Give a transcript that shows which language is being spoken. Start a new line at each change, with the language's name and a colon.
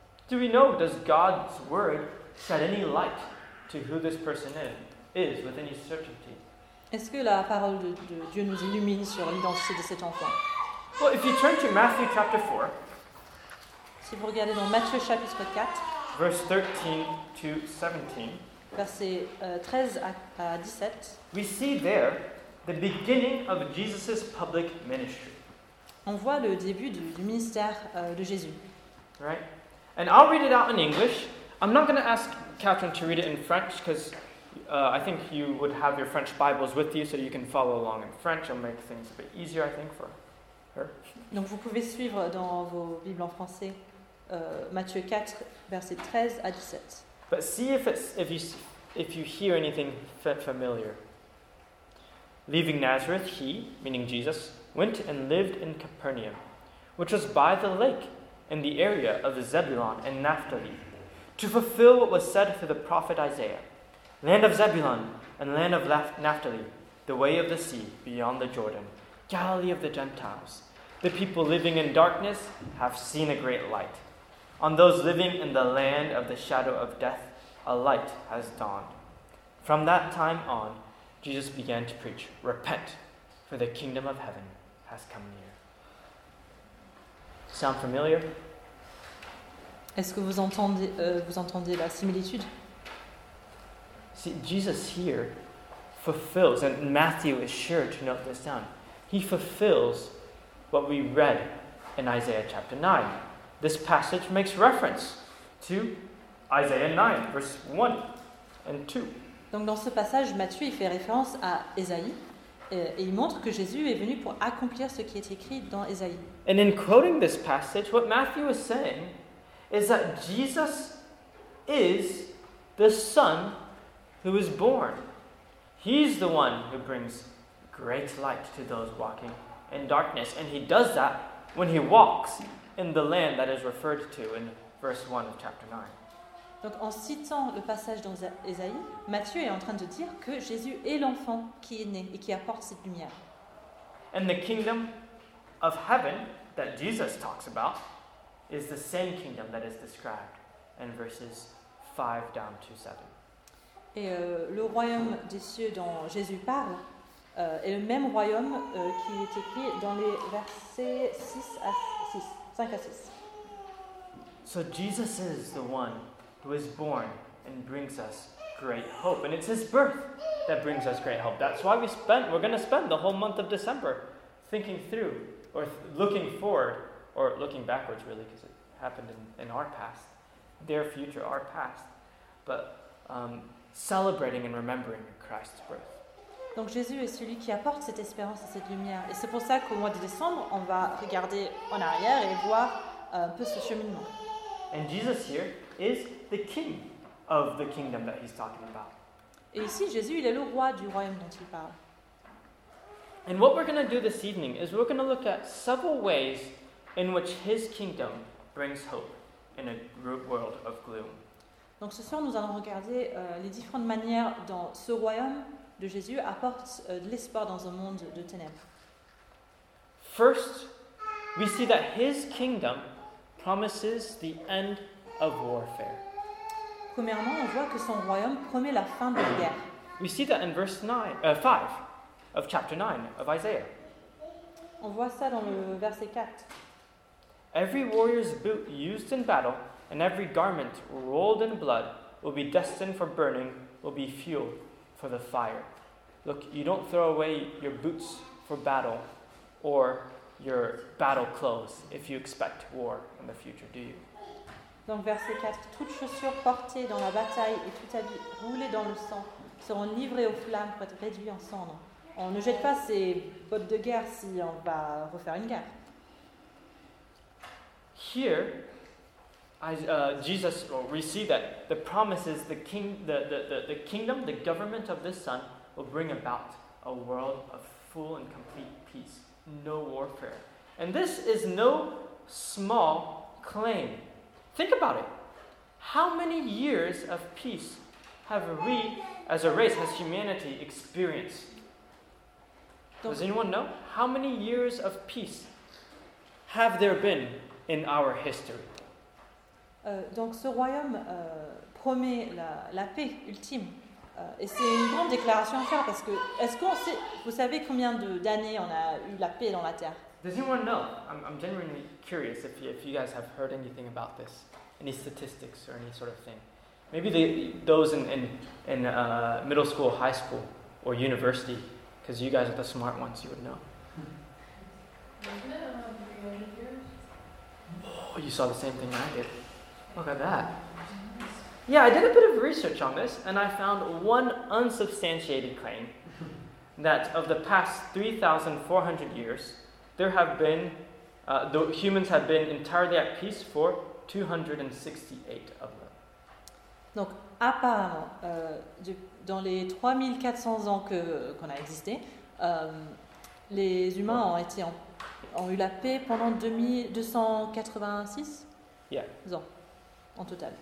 English: Do we know, does God's word shed any light to who this person is with any certainty?
French: Est-ce que la parole de Dieu nous illumine sur l'identité de cet enfant?
English: Well, if you turn to Matthew chapter 4,
French: si vous regardez dans Matthieu chapitre 4,
English: verse 13 to 17,
French: versets 13 à 17,
English: we see there the beginning of Jesus' public ministry.
French: On voit le début du ministère de Jésus.
English: Right? And I'll read it out in English. I'm not going to ask Catherine to read it in French because I think you would have your French Bibles with you so you can follow along in French. It'll make things a bit easier, I think, for her.
French: Donc vous pouvez suivre dans vos Bibles en français. Matthieu 4, versets 13 à 17.
English: But see if you hear anything familiar. Leaving Nazareth, he, meaning Jesus, went and lived in Capernaum, which was by the lake in the area of Zebulun and Naphtali, to fulfill what was said through the prophet Isaiah. Land of Zebulun and land of Naphtali, the way of the sea beyond the Jordan, Galilee of the Gentiles. The people living in darkness have seen a great light. On those living in the land of the shadow of death, a light has dawned. From that time on, Jesus began to preach, "Repent, for the kingdom of heaven has come near." Sound familiar?
French: Est-ce que vous entendez la similitude?
English: See, Jesus here fulfills, and Matthew is sure to note this down, he fulfills what we read in Isaiah chapter 9. This passage makes reference to Isaiah 9, verse 1 and 2.
French: Donc dans ce passage, Matthieu il fait référence à Ésaïe et il montre que Jésus est venu pour accomplir ce qui est écrit dans Ésaïe.
English: And in quoting this passage, what Matthew is saying is that Jesus is the Son who is born. He's the one who brings great light to those walking in darkness. And he does that when he walks in the land that is referred to in verse 1 of chapter 9.
French: Donc en citant le passage dans Ésaïe, Matthieu est en train de dire que Jésus est l'enfant qui est né et qui apporte cette lumière.
English: And the kingdom of heaven that Jesus talks about is the same kingdom that is described in verses 5 down to 7.
French: Et le royaume des cieux dont Jésus parle est le même royaume qui est écrit dans les versets 6 à 6.
English: So Jesus is the one who is born and brings us great hope. And it's his birth that brings us great hope. That's why we're going to spend the whole month of December thinking through or looking forward or looking backwards, really, because it happened in our past, their future, our past. But celebrating and remembering Christ's birth.
French: Donc Jésus est celui qui apporte cette espérance et cette lumière. Et c'est pour ça qu'au mois de décembre, on va regarder en arrière et voir un peu ce cheminement.
English: And Jesus here is the king of the kingdom that he's talking about.
French: Et ici, Jésus, il est le roi du royaume dont il parle.
English: And what we're going to do this evening is we're going to look at several ways in which his kingdom brings hope in a world of gloom.
French: Donc ce soir, nous allons regarder les différentes manières dont ce royaume de Jésus apporte de l'espoir dans un monde de ténèbres.
English: First, we see that his kingdom promises the end of warfare.
French: Premièrement, on voit que son royaume promet la fin de la guerre.
English: We see that in verse 5 of chapter 9 of Isaiah.
French: On voit ça dans le verset 4.
English: Every warrior's boot used in battle and every garment rolled in blood will be destined for burning, will be fuel for the fire. Look, you don't throw away your boots for battle or your battle clothes if you expect war in the future, do you?
French: Donc verset 4, toutes chaussures portées dans la bataille et tout habit roulé dans le sang seront livrées aux flammes pour être réduits en cendres. On ne jette pas ses bottes de guerre si on va refaire une guerre.
English: Here, Jesus, well, we see that the promises, the kingdom, the government of this son will bring about a world of full and complete peace, no warfare. And this is no small claim. Think about it. How many years of peace have we, as a race, has humanity experienced? Does anyone know? How many years of peace have there been in our history?
French: Donc ce royaume promet la paix ultime. Et c'est une grande déclaration à faire parce que est-ce qu'on sait, vous savez combien d'années on a eu la paix dans la terre?
English: Does anyone know? I'm genuinely curious if you guys have heard anything about this. Any statistics or any sort of thing. Maybe those in middle school, high school, or university, because you guys are the smart ones, you would know. Oh, you saw the same thing I did. Look at that. Yeah, I did a bit of research on this, and I found one unsubstantiated claim that of the past 3,400 years, there have been, the humans have been entirely at peace for 268 of them.
French: Donc, apparemment, dans les 3400 ans qu'on a existé, les humains ont eu la paix pendant 286 ans en total.